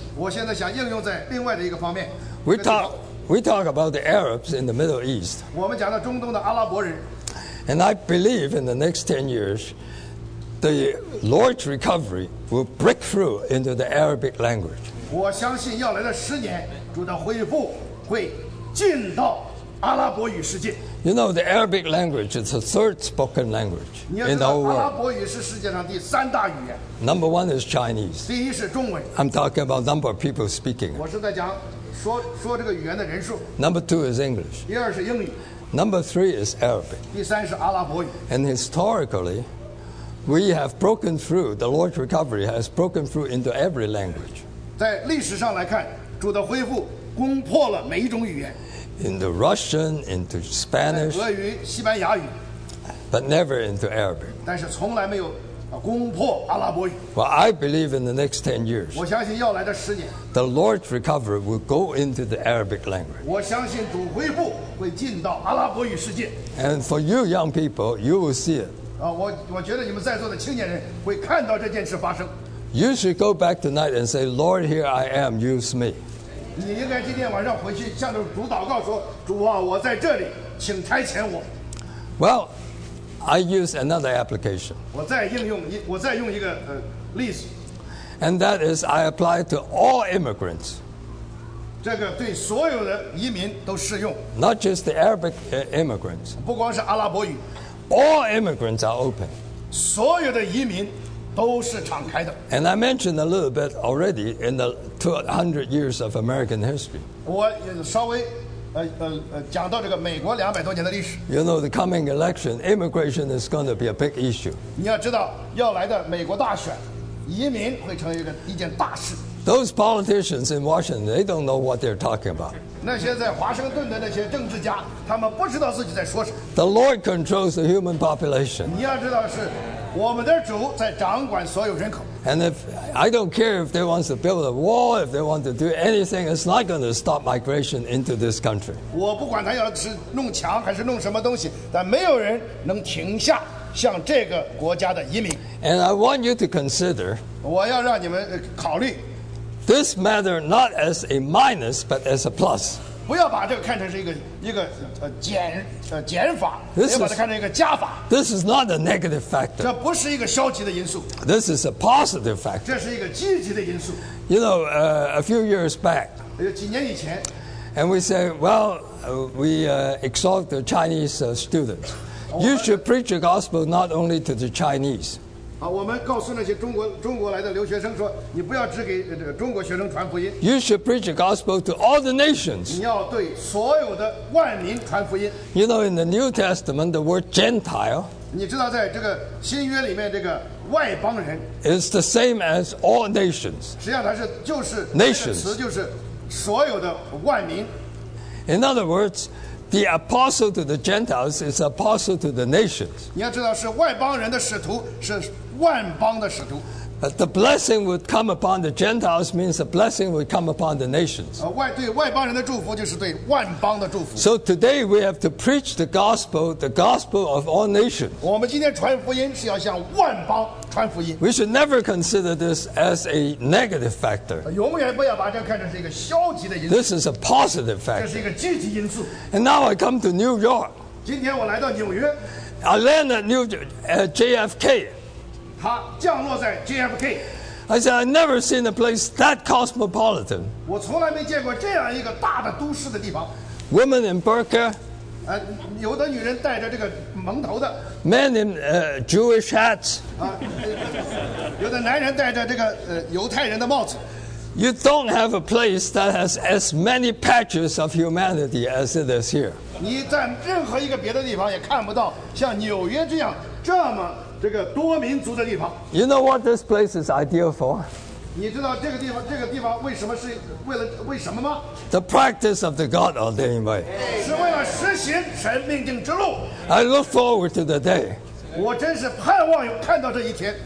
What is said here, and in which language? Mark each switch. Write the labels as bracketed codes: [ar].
[en] We talk about the Arabs in the Middle East. And I believe in the next 10 years, the Lord's recovery will break through into the Arabic language. [zh] 我相信要来的十年，主的恢复会进到阿拉伯语世界。 [en] You know, the Arabic language is the third spoken language in the whole world. [zh] 阿拉伯语是世界上第三大语言。 [en] Number one is Chinese. [zh] 第一是中文。 [en] I'm talking about number of people speaking. [zh] 我是在讲说这个语言的人数。 [en] Number two is English. [zh] 第二是英语。 [en] Number three is Arabic. [zh] 第三是阿拉伯语。 [en] And historically, we have broken through, the Lord's recovery has broken through into every language. [zh] 在历史上来看，主的恢复攻破了每一种语言。 [en] Into Russian, into Spanish. [zh] 俄语、西班牙语。 [en] But never into Arabic. [zh] 但是从来没有攻破阿拉伯语。 [en] Well, I believe in the next 10 years. [zh] 我相信要来的十年。 [en] The Lord's recovery will go into the Arabic language. [zh] 我相信主恢复会进到阿拉伯语世界。 [en] And for you young people, you will see it. [zh] 我觉得你们在座的青年人会看到这件事发生。 [en] You should go back tonight and say, Lord, here I am, use me. [zh] 你应该今天晚上回去向着主祷告说，主啊，我在这里，请差遣我。 [en] Well, I use another application. [zh] 我再用一个例子。 [en] And that is, I apply to all immigrants. [zh] 这个对所有的移民都适用。 [en] Not just the Arabic immigrants. [zh] 不光是阿拉伯语。 [en] All immigrants are open. [zh] 所有的移民都是敞开的。 [en] And I mentioned a little bit already in the 200 years of American history. [zh] 我稍微讲到这个美国两百多年的历史。 [en] You know, the coming election, immigration is going to be a big issue. [zh] 你要知道，要来的美国大选。移民会成为一件大事。 [en] Those politicians in Washington, they don't know what they're talking about. [zh] 那些在华盛顿的那些政治家，他们不知道自己在说什么。 [en] The Lord controls the human population. [zh] 你要知道是我们的主在掌管所有人口。 [en] And if I don't care if they want to build a wall, if they want to do anything, it's not going to stop migration into this country. [zh] 我不管他要是弄墙还是弄什么东西，但没有人能停下。像这个国家的移民 [en] And I want you to consider [zh] 我要让你们考虑 [en] This matter not as a minus but as a plus [zh] 不要把这个看成是一个减法 [en] this [zh] 不要把它看成一个加法 [en] This is not a negative factor [zh] 这不是一个消极的因素 [en] This is a positive factor [zh] 这是一个积极的因素 [en] You know, a few years back [zh] 有几年以前 [en] And we say, well, we exhort the Chinese students You should preach the gospel not only to the Chinese. [zh] 我们告诉那些中国来的留学生说，你不要只给这个中国学生传福音。 [en] You should preach the gospel to all the nations. [zh] 你要对所有的万民传福音。 [en] You know, in the New Testament, the word Gentile. [zh] 你知道在这个新约里面这个外邦人。 [en] Is the same as all nations. [zh] 实际上它是就是 [en] nations [zh] 词就是所有的万民。 [en] In other words. The apostle to the Gentiles is apostle to the nations. [zh] 你要知道是外邦人的使徒是万邦的使徒。 [en] The blessing would come upon the Gentiles means the blessing would come upon the nations. [zh] 对外邦人的祝福就是对万邦的祝福。 [en] So today we have to preach the gospel of all nations. [zh] 我们今天传福音是要向万邦传福音。 [en] We should never consider this as a negative factor. [zh] 永远不要把这看成是一个消极的因素。 [en] This is a positive factor. [zh] 这是一个积极因素。 [en] And now I come to New York. [zh] 今天我来到纽约。 [en] I land at JFK. [zh] 他降落在 JFK. [en] I said, I've never seen a place that cosmopolitan. [zh] 我从来没见过这样一个大的都市的地方。 [en] Women in burqa. [zh] 有的女人戴着这个蒙头的。 [en] Men in Jewish hats. [zh] 有的男人戴着这个犹太人的帽子。 [en] You don't have a place that has as many patches of humanity as it is here. [zh] 你在任何一个别的地方也看不到像纽约这样这么这个多民族的地方。 [en] You know what this place is ideal for? [zh] 你知道这个地方为什么是为什么吗？ [en] The practice of the God ordained way. [zh] 是为了实行神命定之路。 [en] I look forward to the day. [zh] 我真是盼望有看到这一天。